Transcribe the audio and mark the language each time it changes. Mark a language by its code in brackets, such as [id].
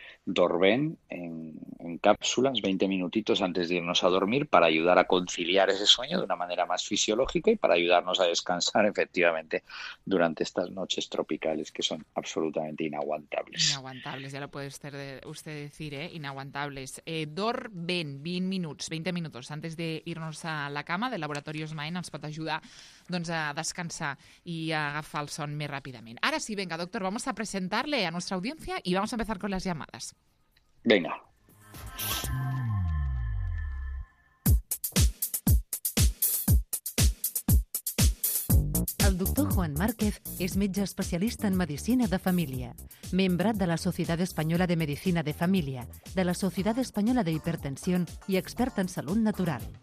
[es] Dorben en cápsulas, 20 minutitos antes de irnos a dormir, para ayudar a conciliar ese sueño de una manera más fisiológica y para ayudarnos a descansar efectivamente durante estas noches tropicales que son absolutamente inaguantables. Inaguantables, ya lo puede usted decir, ¿eh? Inaguantables. [ca] Dorben, [es] 20 minutos antes de irnos a la cama, de Laboratorios Mind, [ca] ens pot ajudar doncs, a descansar i a agafar el son més ràpidament. [es] Ara sí, venga, doctor, vamos a presentarle a nuestra audiencia y vamos a empezar con las llamadas. Venga. El doctor Juan Márquez [ca] es metge especialista en medicina de familia, membre de la [es] Sociedad Española de Medicina de Familia, de la Sociedad Española de Hipertensión y experta en salud natural.